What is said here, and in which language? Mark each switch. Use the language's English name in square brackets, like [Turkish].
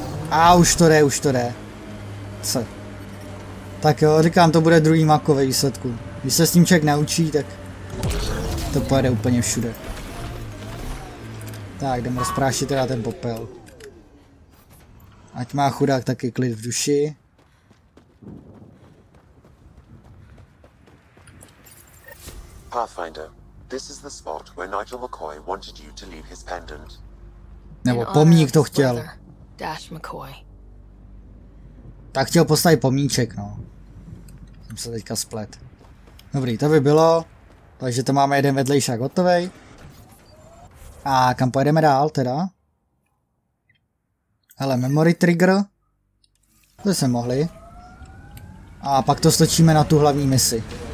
[Czech] A už to jde, už to jde. Co? Tak jo, říkám, to bude druhý mako ve výsledku. Když se s tím člověk naučí, tak to pojede úplně všude. Tak, jdem rozprášit teda ten popel. Ať má chudák taky klid v duši. [English] Pathfinder, this is the spot where Nigel McCoy wanted you to leave his pendant. [Czech] Nebo pomník to chtěl. Dash McCoy. Tak chtěl postavit pomníček, no. Jsem se teďka splet. Dobrý, to by bylo. Takže to máme jeden vedlejšák hotovej. A kam pojedeme dál teda? Hele, memory trigger. To jsme mohli. A pak to stočíme na tu hlavní misi.